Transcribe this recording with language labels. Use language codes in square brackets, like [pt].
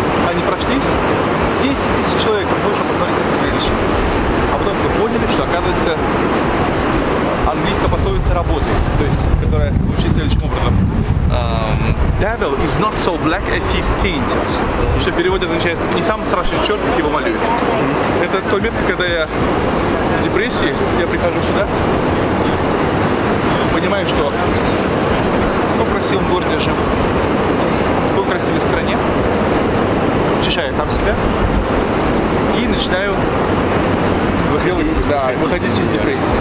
[ru] Они прошлись, 10 тысяч человек пришло, чтобы посмотреть это зрелище. А потом поняли, что, оказывается, английская пословица работает, то есть, которая звучит следующим образом. [en] Devil is not so black as he's painted. [ru] Что в переводе означает не самый страшный черт, как его малюют. Это то место, когда я в депрессии, я прихожу сюда, понимаю, что в каком красивом городе живу, в какой красивой стране, учащаю сам себя и начинаю выходить из депрессии.